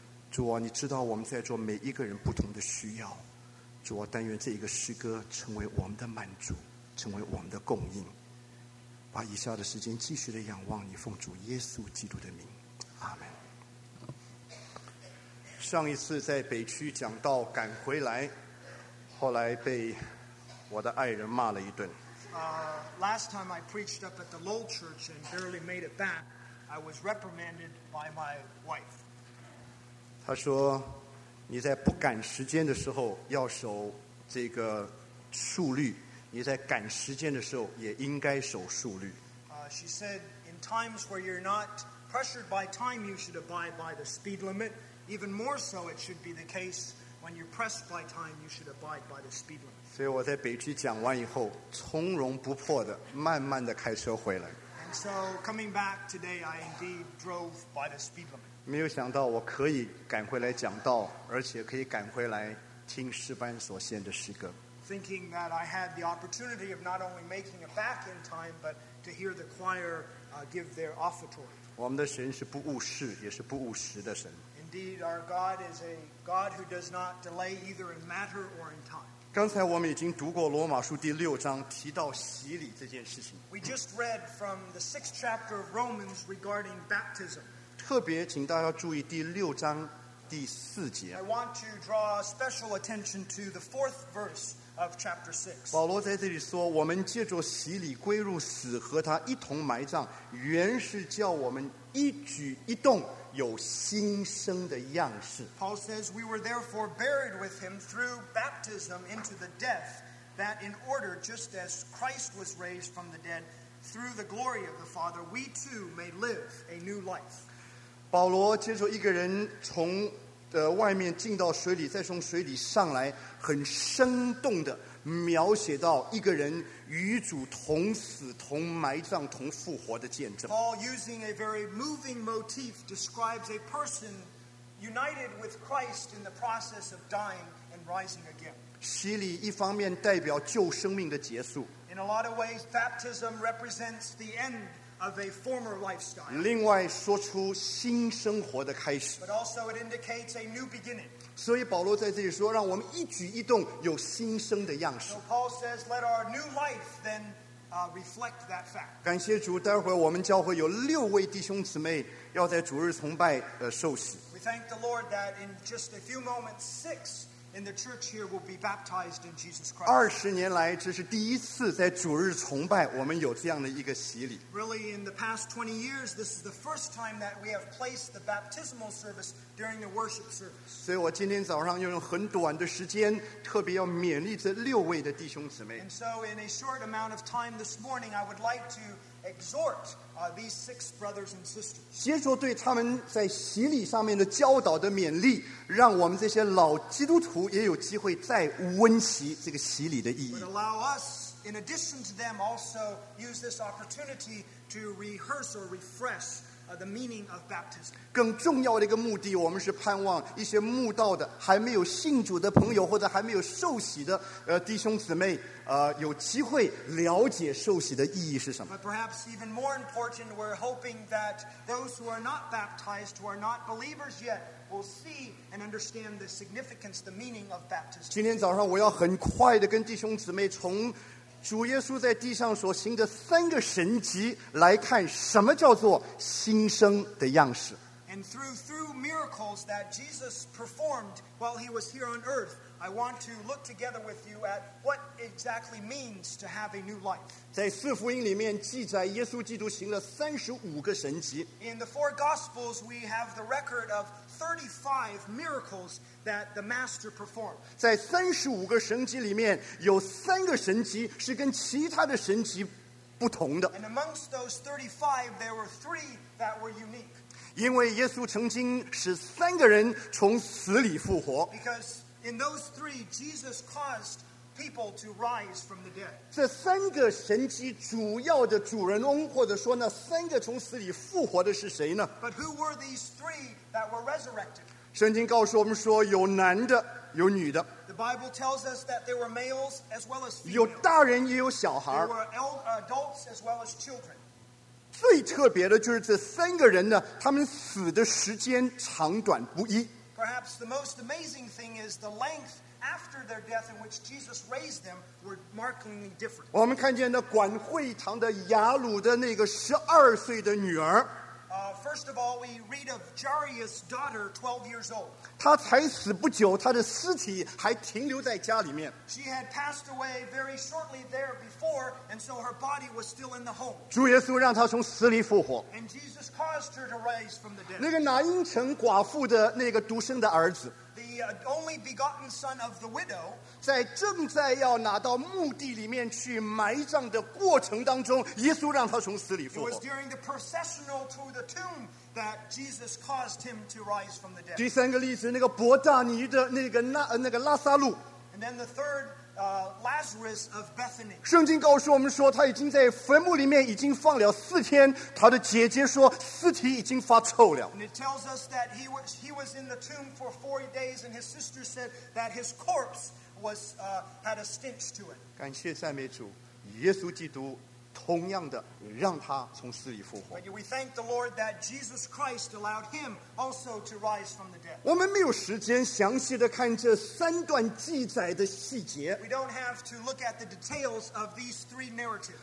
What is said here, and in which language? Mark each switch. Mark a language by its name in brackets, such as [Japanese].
[Chinese] 主啊，你知道我们在座每一个人不同的需要，主啊，但愿这一个诗歌成为我们的满足，成为我们的供应。把以下的时间继续的仰望你，奉主耶稣基督的名，阿们。上一次在北区讲道赶回来，后来被我的爱人骂了一顿。 [English] Last time I preached up at the Lowell Church and barely made it back, I was reprimanded by my wife. [Chinese] 她说，你在不赶时间的时候要守这个速律，你在赶时间的时候也应该守速律。 [English] She said, in times where you're not pressured by time, you should abide by the speed limit. Even more so, it should be the case when you're pressed by time, you should abide by the speed limit. [Chinese] 所以我在北区讲完以后，从容不迫的慢慢的开车回来。 [English] And so coming back today, I indeed drove by the speed limit. [Chinese] 没有想到我可以赶回来讲道，而且可以赶回来听诗班所献的诗歌。 [English] Thinking that I had the opportunity of not only making it back in time, but to hear the choir give their offertory. [Chinese] 我们的神是不误事，也是不误时的神。 [English] Indeed, our God is a God who does not delay either in matter or in time. [Chinese] 刚才我们已经读过罗马书第六章提到洗礼这件事情。 [English] We just read from the sixth chapter of Romans regarding baptism. [Chinese] 特别请大家注意第六章第四节。 [English] I want to draw special attention to the fourth verse of chapter six. [Chinese] 保罗在这里说，我们借着洗礼归入死，和他一同埋葬，原是叫我们一举一动有新生的样式。 [English] Paul says we were therefore buried with him through baptism into the death, that in order, just as Christ was raised from the dead through the glory of the Father, we too may live a new life. [Chinese] 保罗接受一个人从外面进到水里，再从水里上来，很生动的描写到一个人与主同死、同埋葬、同复活的见证。 [English] Paul, using a very moving motif, describes a person united with Christ in the process of dying and rising again. [Chinese] 洗礼一方面代表旧生命的结束。 [English] In a lot of ways, baptism represents the end of a former lifestyle. [Chinese] 另外说出新生活的开始。 [English] But also, it indicates a new beginning. [Chinese] 所以保罗在这里说，让我们一举一动有新生的样式。 [English] So Paul says, let our new life then reflect that fact. [Chinese] 感谢主，待会儿我们教会有六位弟兄姊妹要在主日崇拜受洗。 [English] We thank the Lord that in just a few moments, six in the church here will be baptized in Jesus Christ. 20 years, this is the first time in [Chinese] 主日崇拜我们有这样的一个洗礼。 [English] Really, in the past 20 years, this is the first time that we have placed the baptismal service. During the worship service. [Chinese] 所以我今天早上用很短的时间特别要勉励这六位的弟兄姊妹。 [English] And so in a short amount of time this morning, I would like to exhort these six brothers and sisters. [Chinese] 接着对他们在洗礼上面的教导的勉励，让我们这些老基督徒也有机会再温习这个洗礼的意义。 [English] Would allow us, in addition to them, also use this opportunity to rehearse or refreshthe meaning of baptism. [Chinese] 更重要的一个目的，我们是盼望一些慕道的、还没有信主的朋友，或者还没有受洗的弟兄姊妹，有机会了解受洗的意义是什么。 [English] But perhaps even more important, we're hoping that those who are not baptized, who are not believers yet, will see and understand the significance, the meaning of baptism. [Chinese] 今天早上我要很快的跟弟兄姊妹从主耶稣在地上所行的三个神迹来看什么叫做新生的样式。 [English] And through miracles that Jesus performed while he was here on earth, I want to look together with you at what exactly means to have a new life. [Chinese] 在四福音里面记载耶稣基督行了35个神迹。 [English] In the four gospels, we have the record of 35 miracles that the master performed. [Chinese] 在35个神迹里面，有三个神迹是跟其他的神迹不同的。 [English] And amongst those 35, there were three that were unique. [Chinese] 因为耶稣曾经使三个人从死里复活。 [English] Because in those three, Jesus caused people to rise from the dead. [Chinese] 这三个神迹主要的主人翁，或者说那三个从死里复活的是谁呢？ [English] But who were these three that were resurrected? [Chinese] 圣经告诉我们说，有男的，有女的。 [English] The Bible tells us that there were males as well as females. [Chinese] 有大人也有小孩。 [English] There were adults as well as children. [Chinese] 最特别的就是这三个人呢，他们死的时间长短不一。 [English] Perhaps the most amazing thing is the length after their death in which Jesus raised them were markedly different. [Chinese] 我们看见那管会堂的雅鲁的那个十二岁的女儿。 [English] First of all, we read of Jairus' daughter, 12 years old. [Chinese] 她才死不久，她的尸体还停留在家里面。 [English] She had passed away very shortly there before, and so her body was still in the home. [Chinese] 主耶稣让她从死里复活。 [English] And Jesus caused her to rise from the dead. [Chinese] 那个拿因城寡妇的那个独生的儿子。 [English] The only begotten son of the widow. [Chinese] 在正在要拿到墓地里面去埋葬的过程当中，耶稣让他从死里复活。 [English] It was during the processional to the tomb that Jesus caused him to rise from the dead. [Chinese] 第三个例子，那个伯大尼的那个拉撒路。 [English] And then the third, Lazarus of Bethany. [Chinese] 圣经告诉我们说，他已经在坟墓里面已经放了四天。他的姐姐说，尸体已经发臭了。 [English] And it tells us that he was in the tomb for 4 days, and his sister said that his corpse. Had a stench to it. [Chinese] 感谢赞美主，耶稣基督同样的让他从死里复活。 [English] We thank the Lord that Jesus Christ allowed him also to rise from the dead. [Chinese] 我们没有时间详细的看这三段记载的细节。 [English] We don't have to look at the details of these three narratives.